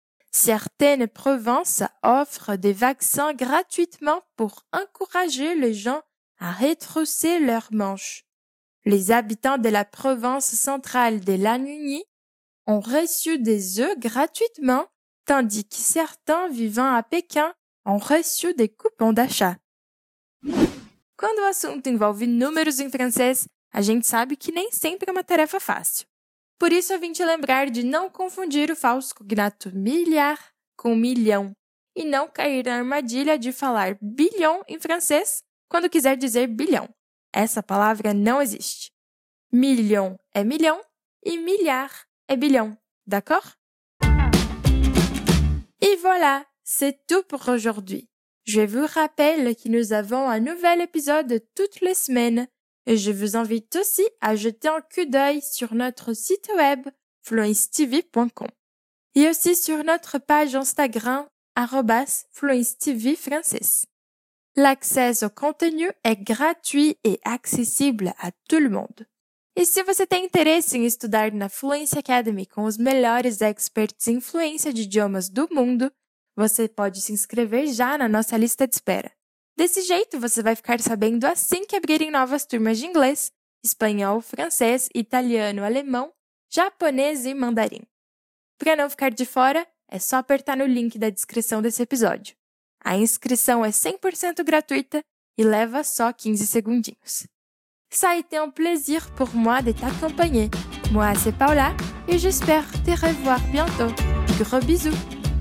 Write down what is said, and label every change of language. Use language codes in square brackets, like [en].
[fr] Certaines provinces offrent des vaccins gratuitement pour encourager les gens à retrousser leurs manches. Les habitants de la province centrale de l'Anhui ont reçu des œufs gratuitement, tandis que certains vivant à Pékin ont reçu des coupons d'achat. [pt] Quando o assunto envolve números em francês, a gente sabe que nem sempre é uma tarefa fácil. Por isso, eu vim te lembrar de não confundir o falso cognato milhar com milhão e não cair na armadilha de falar bilhão em francês quando quiser dizer bilhão. Essa palavra não existe. Million é milhão [fr] et milliards et billions. D'accord? Et voilà, c'est tout pour aujourd'hui. Je vous rappelle que nous avons un nouvel épisode toutes les semaines. Et je vous invite aussi à jeter un coup d'œil sur notre site web fluencetv.com et aussi sur notre page Instagram @fluencetvfrançais. L'accès au contenu est gratuit et accessible à tout le monde. [pt] Et si você tem interesse em estudar na Fluency Academy com os melhores experts em fluência de idiomas do mundo, você pode se inscrever já na nossa lista de espera. Desse jeito, você vai ficar sabendo assim que abrirem novas turmas de inglês, espanhol, francês, italiano, alemão, japonês e mandarim. Para não ficar de fora, é só apertar no link da descrição desse episódio. A inscrição é 100% gratuita e leva só 15 segundinhos. [fr] Ça a été un plaisir pour moi de t'accompagner. Moi, c'est Paula et j'espère te revoir bientôt. Gros bisous!